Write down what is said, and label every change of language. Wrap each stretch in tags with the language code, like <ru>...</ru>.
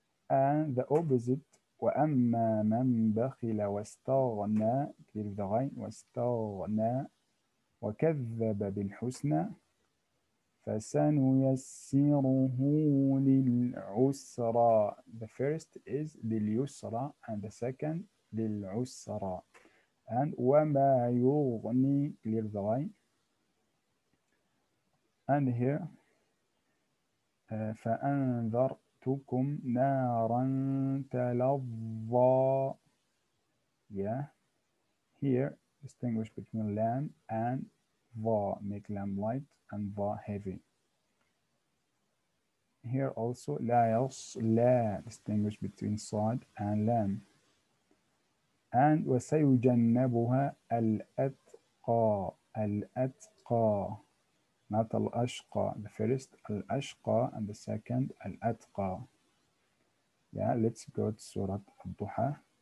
<en>And the opposite,</en> <ar>وأما من بخل واستغنى,</ar> <en>clear the</en> <ar>غين, واستغنى وكذب بالحسنى فَسَنُيَسِّرُهُ لِلْعُسْرَى.</ar> <en>The first is</en> <ar>لِلْيُسْرَى</ar> <en>and the second</en> <ar>لِلْعُسْرَى.</ar> <en>And</en> <ar>وَمَا يُغْنِي,</ar> <en>clear the line. And here,</en> <ar>فَأَنذَرْتُكُمْ نَارًا تَلَظَّى.</ar> <en>Yeah. Here, distinguish between lamb and va, make lamb light and va heavy. Here also,</en> <ar>لا يصلى,</ar> <en>distinguish between صاد and لام. And</en> <ar>وسيجنبها الأتقى, الأتقى,</ar> <en>not</en> <ar>الأشقى.</ar> <en>The first,</en> <ar>الأشقى,</ar> <en>and the second,</en> <ar>الأتقى.</ar> <en>Yeah, let's go to Surah Al-Duha.</en>